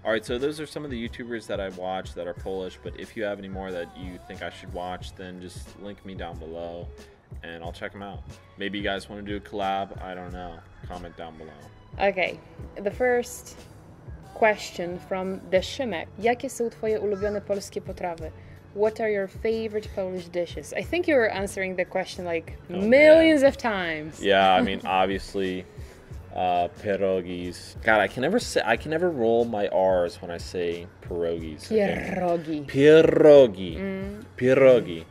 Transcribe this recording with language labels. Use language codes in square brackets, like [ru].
[en] All right, so those are some of the YouTubers that I watch that are Polish, but if you have any more that you think I should watch, then just link me down below and I'll check them out. Maybe you guys want to do a collab, I don't know. Comment down below. Okay, the first question from The Szymek. [pl] Jakie są twoje ulubione polskie potrawy? [en] What are your favorite Polish dishes? I think you were answering the question, like, millions of times. Yeah, I mean, obviously, pierogies. God, I can never roll my R's when I say pierogies. Pierogi. Pierogi. Mm. Pierogi.